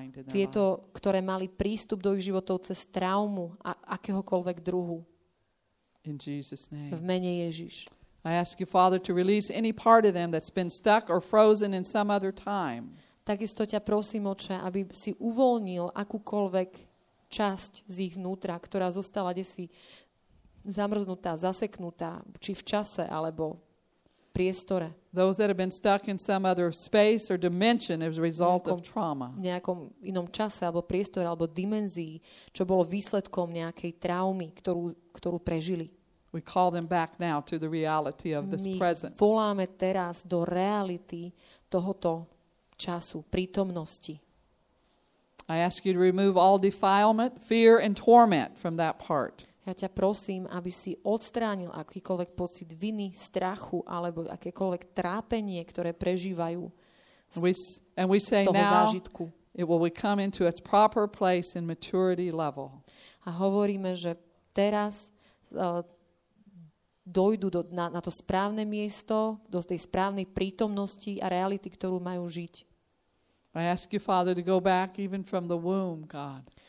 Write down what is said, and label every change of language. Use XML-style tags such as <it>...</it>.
<sk>Tieto, ktoré mali prístup do ich životov cez traumu a akéhokoľvek druhu.</sk> <en>In Jesus name.</en> <sk>V mene Ježiš.</sk> <en>I ask you, Father, to release any part of them that's been stuck or frozen in some other time.</en> <sk>Takisto ťa prosím, Otče, aby si uvoľnil akúkoľvek časť z ich vnútra, ktorá zostala desi zamrznutá, zaseknutá, či v čase, alebo v priestore.</sk> <en>Those that have been stuck in some other space or dimension as a result of trauma.</en> <sk>V nejakom inom čase, alebo priestore, alebo dimenzii, čo bolo výsledkom nejakej traumy, ktorú prežili.</sk> <en>We call them back now to the reality of this present.</en> <sk>My voláme teraz do reality tohoto času, prítomnosti.</sk> <en>I ask you to remove all defilement, fear and torment from that part.</en> <sk>Ja ťa prosím, aby si odstránil akýkoľvek pocit viny, strachu alebo akékoľvek trápenie, ktoré prežívajú. Z toho zážitku.</sk> <en>It will come into its proper place in maturity level.</en> <sk>A hovoríme, že teraz dojdu na to správne miesto, do tej správnej prítomnosti a reality, ktorú majú žiť.</sk> <en>I ask you, Father, to go back even from the womb, God.</en>